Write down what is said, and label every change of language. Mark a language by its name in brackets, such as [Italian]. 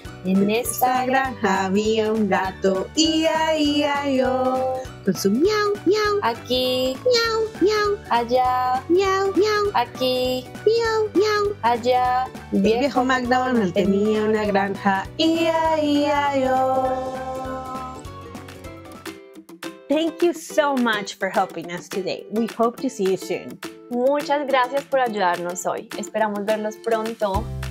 [Spanish] En esa granja había un gato, I-A-I-A-Yo. Con su miau, miau, aquí, miau, miau, allá, miau, miau, aquí, miau, miau, allá. El viejo MacDonald tenía una granja, I-A-I-A-Yo. [English] Thank you so much for helping us today. We hope to see you soon. [Spanish] Muchas gracias por ayudarnos hoy. Esperamos verlos pronto.